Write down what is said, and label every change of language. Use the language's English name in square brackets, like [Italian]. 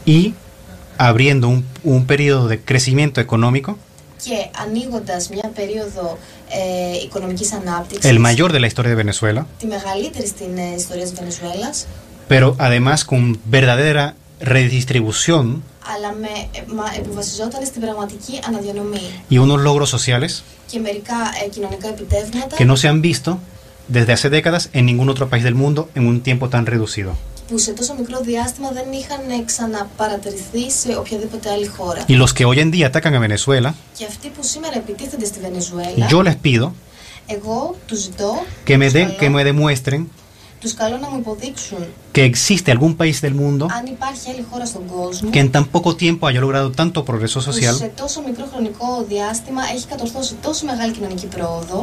[Spanish] Y abriendo un periodo de crecimiento económico. [Greek] Και ανοίγοντας μια περίοδο οικονομικής ανάπτυξης. [Spanish] El mayor de la historia de Venezuela. [Greek] Τη μεγαλύτερη στην ιστορία της Βενεζουέλας. [Spanish] Pero además con verdadera redistribución. [Greek] Αλλά που βασιζόταν στην πραγματική αναδιανομή. [Spanish] Y unos logros sociales. [Greek] Και μερικά κοινωνικά επιτεύγματα. [Spanish] Que no se han visto desde hace décadas en ningún otro país del mundo en un tiempo tan reducido. [Greek] Που σε τόσο μικρό διάστημα δεν είχαν ξαναπαρατηρηθεί σε οποιαδήποτε άλλη χώρα. [Spanish] Y los que hoy en día atacan a Venezuela. [Greek] Και αυτοί που σήμερα επιτίθενται στη Βενεζουέλα. [Spanish] Yo les pido. [Greek] Εγώ τους ζητώ. [Spanish] Que me den, que me demuestren. [Greek] Τους καλώ να μου υποδείξουν. [Spanish] Que existe algún país del mundo. [Greek] Αν υπάρχει άλλη χώρα στον κόσμο. [Spanish] Que en tan poco tiempo haya logrado tanto progreso social. [Greek] Που σε τόσο μικρό χρονικό διάστημα έχει κατορθώσει τόσο μεγάλη κοινωνική πρόοδο.